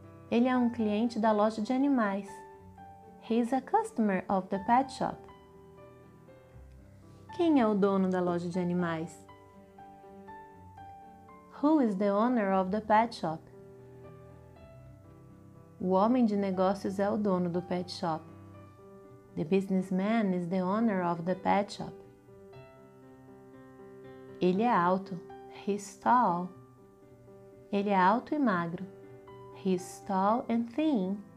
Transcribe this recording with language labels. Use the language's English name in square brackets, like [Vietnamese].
[Portuguese] Ele é um cliente da loja de animais. [English] He is a customer of the pet shop. [Portuguese] Quem é o dono da loja de animais? [English] Who is the owner of the pet shop? [Portuguese] O homem de negócios é o dono do pet shop. [English] The businessman is the owner of the pet shop. [Portuguese] Ele é alto. [English] He's tall. [Portuguese] Ele é alto e magro. [English] He's tall and thin.